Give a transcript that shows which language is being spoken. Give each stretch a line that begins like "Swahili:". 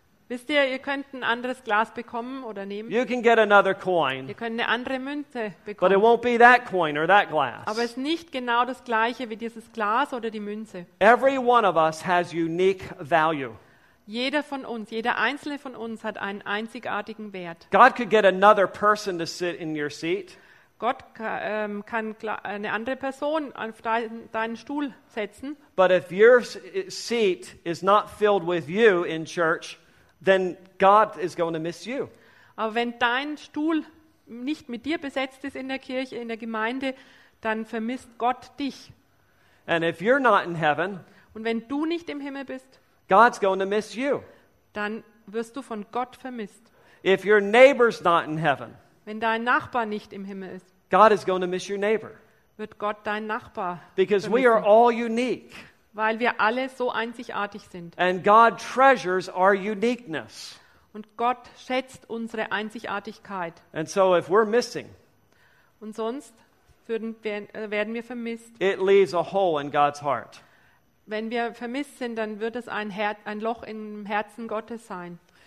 German: Wisst ihr könnt ein anderes Glas bekommen oder nehmen.
English: You can get another coin.
German: Ihr könnt eine andere Münze bekommen.
English: But it won't be that coin or that glass.
German: Aber es ist nicht genau das gleiche wie dieses Glas oder die Münze.
English: Every one of us has unique value.
German: Jeder von uns, jeder einzelne von uns hat einen einzigartigen Wert.
English: God could get another person to sit in your seat.
German: Gott kann eine andere Person auf deinen Stuhl setzen.
English: But if your seat is not filled with you in church, then God is going to miss you.
German: Aber wenn dein Stuhl nicht mit dir besetzt ist in der Kirche, in der Gemeinde, dann vermisst Gott dich.
English: And if you're not in heaven,
German: und wenn du nicht im Himmel bist,
English: God's going to miss you.
German: Dann wirst du von Gott vermisst.
English: If your neighbor's not in heaven,
German: wenn dein Nachbar nicht im Himmel ist,
English: God is going to miss your neighbor.
German: Wird Gott dein Nachbar
English: Because
German: vermissen.
English: We are all unique.
German: Weil wir alle so einzigartig sind.
English: And God treasures our uniqueness.
German: Und Gott schätzt unsere Einzigartigkeit.
English: And so if we're missing,
German: und sonst werden wir vermisst.
English: It leaves a hole in God's heart.
German: Wenn wir vermisst sind, dann wird es ein Loch im Herzen Gottes sein.